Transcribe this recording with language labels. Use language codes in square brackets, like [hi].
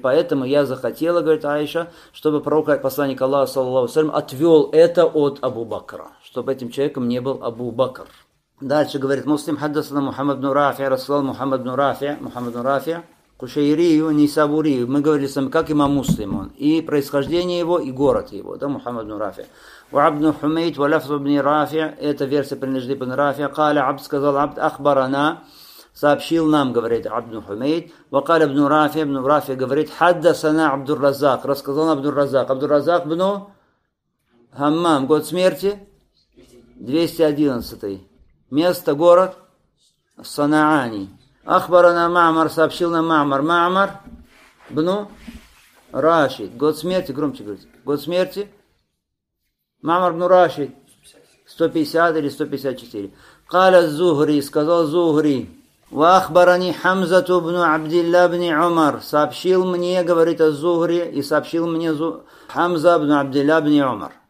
[ru] Поэтому я захотела, говорит Аиша, чтобы пророк, посланник Аллаха саллаллаху алейхи ва саллям, отвел это от Абу Бакра, чтобы этим человеком не был Абу Бакр. Дальше говорит Муслим, [ar] хаддасана [ru] Мухаммад ибн Рафи, рассылал Мухаммад ибн Рафи, Кушайрию, Нисабурию. Мы говорили с вами, как имам Муслим он, и происхождение его, и город его, да, Мухаммад ибн Рафи. [ar] وعبد حميد ولفظ ابن رافع [ru] это версия принадлежит [ar] ابن رافيا. قال عبد [ru] сказал [ar] عبد اخبرنا [ru] сообщил нам, говорит [ar] عبد حميد. وقال ابن رافع, ابن رافيا [ru] говорит, [ar] حدثنا عبد الرزاق, [ru] рассказал [ar] عبد الرزاق. [ru] عبد الرزاق بن حمام, год смерти 211, место, город Санаани. [ar] اخبرنا معمر, [ru] сообщил нам [ar] معمر. [ru] معمر بن راشد, год смерти, громче говорит, год смерти Маамар ибн Рашид, 150 или 154. [ar] Каля Зухри, [ru] сказал Зухри, [ar] وأخبرني حمزة بن عبد الله بن عمر [ru] сообщил мне, говорит Аз-Зухри, и сообщил мне Хамза бин Абдулла бин Умар.